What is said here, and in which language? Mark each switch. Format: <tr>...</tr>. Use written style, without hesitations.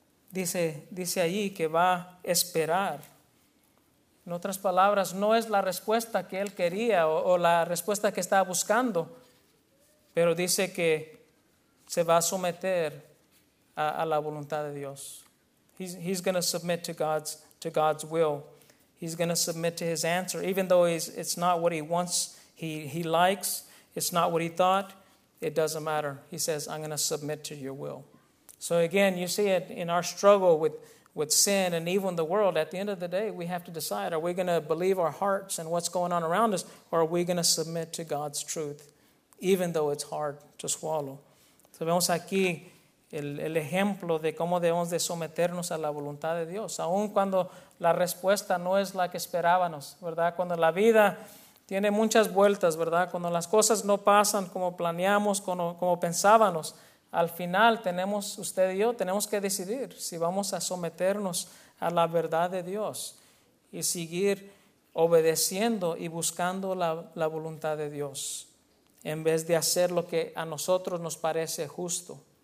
<es>Dice allí que va a esperar. En otras palabras, no es la respuesta que él quería o la respuesta que estaba buscando, pero dice que se va a someter a la voluntad de Dios.</es> <en>He's going to submit to God's will. He's going to submit to his answer, even though it's not what he wants, he likes, it's not what he thought, it doesn't matter. He says, I'm going to submit to your will. So again, you see it in our struggle with sin and evil in the world. At the end of the day, we have to decide, are we going to believe our hearts and what's going on around us, or are we going to submit to God's truth, even though it's hard to swallow?</en> <es>So vemos aquí el ejemplo de cómo debemos de someternos a la voluntad de Dios, aun cuando la respuesta no es la que esperábamos, ¿verdad? Cuando la vida tiene muchas vueltas, ¿verdad? Cuando las cosas no pasan como planeamos, como pensábamos, al final tenemos, usted y yo, tenemos que decidir si vamos a someternos a la verdad de Dios y seguir obedeciendo y buscando la voluntad de Dios en vez de hacer lo que a nosotros nos parece justo.</es>